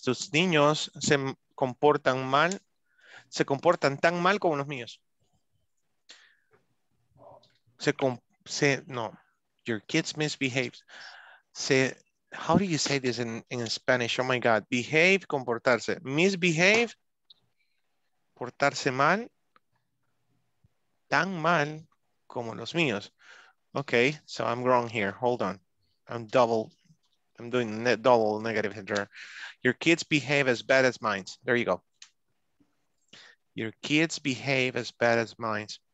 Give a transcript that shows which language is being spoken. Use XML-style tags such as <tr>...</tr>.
<es>Tus niños se comportan tan mal como los míos.</es> <en>Your kids misbehave. se, how do you say this in Spanish? Oh my God, behave, comportarse.</en> <es>Misbehave, portarse mal, tan mal como los míos.</es> <en>Okay, so I'm wrong here, hold on. I'm doing double negative here. Your kids behave as bad as mine. There you go. Your kids behave as bad as mine.</en>